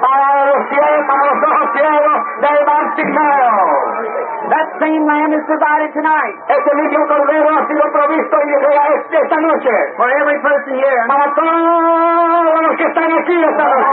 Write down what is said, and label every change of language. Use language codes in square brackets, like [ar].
[es] para los ojos ciegos de Bartimaeo. [en] That same lamb is provided tonight. [es] Ese mismo cordero ha sido provisto y llega esta noche. [en] For every person here. [es] Para todos los que están aquí esta noche.